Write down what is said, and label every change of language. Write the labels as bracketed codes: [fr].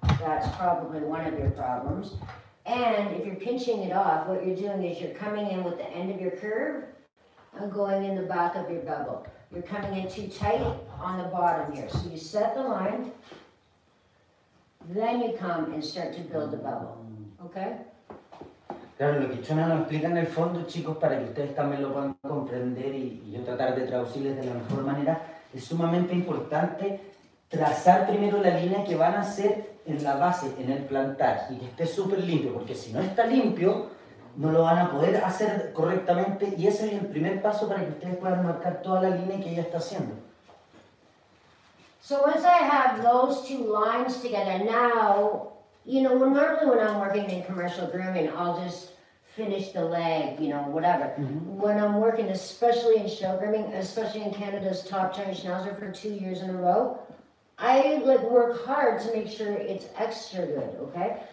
[en] That's probably one of your problems. And if you're pinching it off, what you're doing is you're coming in with the end of your curve and going in the back of your bevel. You're coming in too tight on the bottom here. So you set the line. Then you come and start to build the bubble, okay? [es] Claro, lo que Shaunna nos explica en el fondo, chicos, para que ustedes también lo puedan comprender y yo tratar de traducirles de la mejor manera, es sumamente importante trazar primero la línea que van a hacer en la base, en el plantar, y que esté súper limpio, porque si no está limpio, no lo van a poder hacer correctamente y ese es el primer paso para que ustedes puedan marcar toda la línea que ella está haciendo. [en] So once I have those two lines together, now, you know, when normally when I'm working in commercial grooming, I'll just finish the leg, you know, whatever. Mm-hmm. When I'm working, especially in show grooming, especially in Canada's top giant Schnauzer for 2 years in a row, I like work hard to make sure it's extra good, okay?